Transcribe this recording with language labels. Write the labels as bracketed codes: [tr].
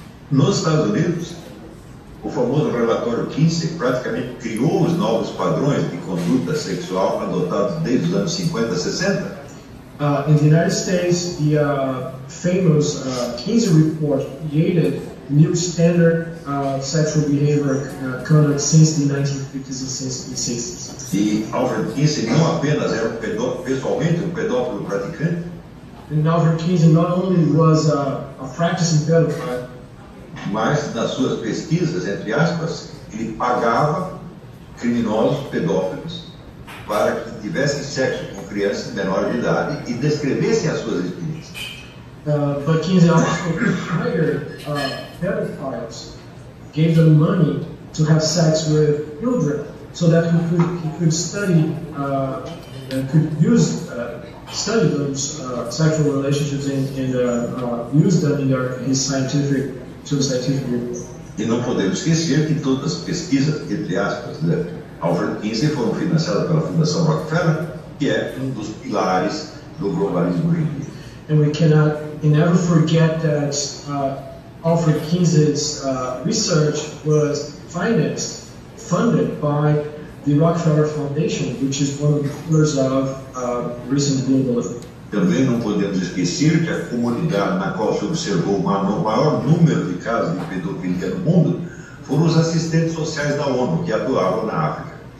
[pt] Nos Estados Unidos, o famoso relatório Kinsey praticamente criou os novos padrões de conduta sexual adotados desde os anos 50, 60. [en] In the United States, the famous Kinsey report created new standard sexual behavior conduct since the 1950s and 1960s. [pt] E Alfred Kinsey não apenas era pessoalmente um pedófilo praticante. [en] And Alfred Kinsey not only was a practicing pedophile, [pt] mas nas suas pesquisas, entre aspas, ele pagava criminosos pedófilos para que tivessem sexo com crianças menores de idade e descrevessem as suas experiências. [en] But Kinsey also hired pedophiles, gave them money to have sex with children, so that he could study and could use study those sexual relationships and use them in his scientific reports. [pt] E não podemos esquecer que todas as pesquisas, entre aspas, de Alfred Kinsey foram financiadas pela Fundação Rockefeller, que é um dos pilares do globalismo green. [en] And we cannot never forget that Alfred Kinsey's research was funded by the Rockefeller Foundation, which is one of the pillars of recent globalism. [pt] Também não podemos esquecer que a comunidade na qual se observou o maior número de casos de pedofilia no mundo foram os assistentes sociais da ONU que atuavam na África.